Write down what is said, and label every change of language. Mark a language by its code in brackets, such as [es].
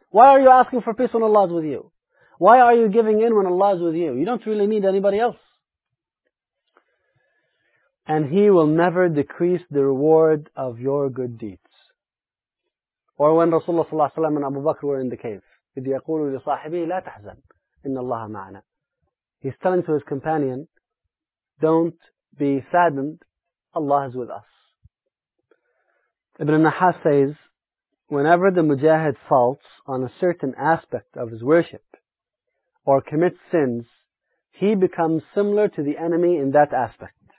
[en] Why are you asking for peace when Allah is with you? Why are you giving in when Allah is with you? You don't really need anybody else. And He will never decrease the reward of your good deeds. Or when Rasulullah صلى الله عليه وسلم and Abu Bakr were in the cave, [ar] إذ يقول لصاحبه لا تحزن إن الله معنا. [en] He's telling to his companion, don't be saddened, Allah is with us. Ibn al-Nahas says, whenever the mujahid faults on a certain aspect of his worship or commits sins, he becomes similar to the enemy in that aspect.